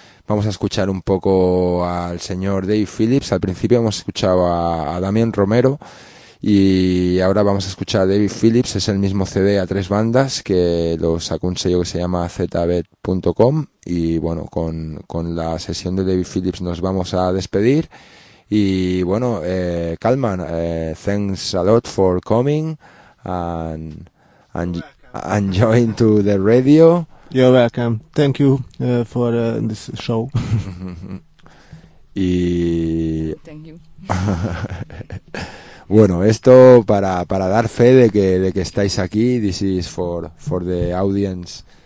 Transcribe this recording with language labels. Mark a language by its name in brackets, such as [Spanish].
[Spanish] Vamos a escuchar un poco al señor Dave Phillips. Al principio hemos escuchado a Damien Romero y ahora vamos a escuchar a Dave Phillips. Es el mismo CD a tres bandas que lo sacó un sello que se llama zbet.com. Y bueno, con la sesión de David Phillips nos vamos a despedir. Y bueno, [English] Kalman, thanks a lot for coming and joining to the radio. You're welcome. Thank you for this show. [Spanish] Y [English] thank you. [Spanish] Bueno, esto para dar fe de que estáis aquí. [English] This is for the audience.